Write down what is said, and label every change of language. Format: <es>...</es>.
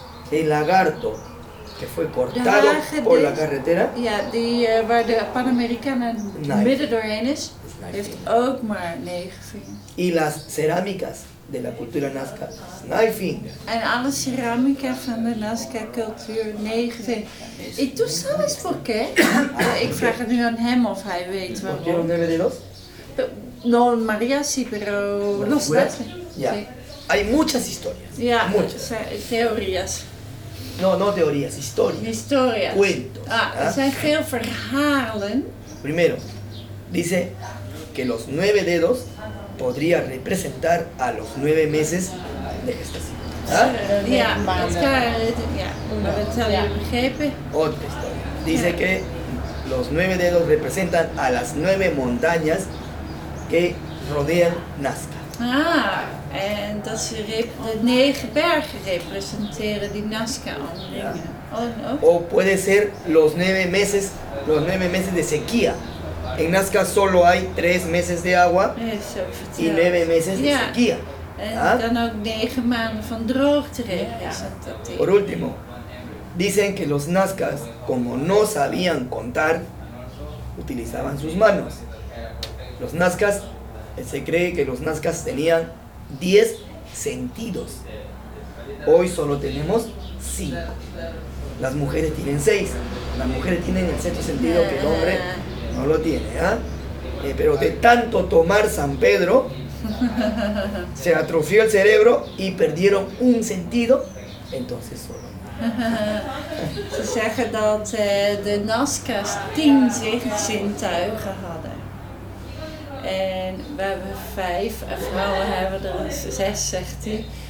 <es>El lagarto, que fue cortado por la carretera.</es> <nl>Ja, waar de Panamericana midden doorheen is, heeft ook maar 9 vingers.</nl> <es>Y las cerámicas de la cultura Nazca,</es> <nl>9 vingers. En alle cerámica van de Nazca cultuur, 9 vingers.</nl> <es>¿Y tú sabes por qué?</es> <nl>Ik vraag het nu aan hem of hij weet waarom.</nl> <es>¿Por qué 9 dedos? No, María sí, pero los 9. Hay muchas historias. Ya, muchas. Teorías. No teorías, historias. Historias. Cuentos.</es> <nl>Son veel verhalen.</nl> <es>Primero, dice que los 9 dedos podría representar a los 9 meses de gestación. Ya, ¿Ya? Otra historia. Dice que los 9 dedos representan a las 9 montañas que rodean Nazca.</es> <nl>En dat ze de 9 bergen representeren die Nazca omringen.</nl> <es>O puede ser los 9 meses de sequía. En Nazca solo hay 3 meses de agua y 9 meses de sequía.</es> <nl>En dan ook 9 maanden van droogte representeren.</nl> <es>Por último, dicen que los Nazcas, como no sabían contar, utilizaban sus manos. Los Nazcas, se cree que los Nazcas tenían 10 sentidos. Hoy solo tenemos 5. Las mujeres tienen 6. Las mujeres tienen el sexto sentido que el hombre no lo tiene. ¿Eh? Pero de tanto tomar San Pedro, se atrofió el cerebro y perdieron un sentido. Entonces solo.</es> <nl>Ze zeggen dat de Nazca's 10 zintuigen hadden. En we hebben 5, en vrouwen hebben er 6, zegt hij.</nl>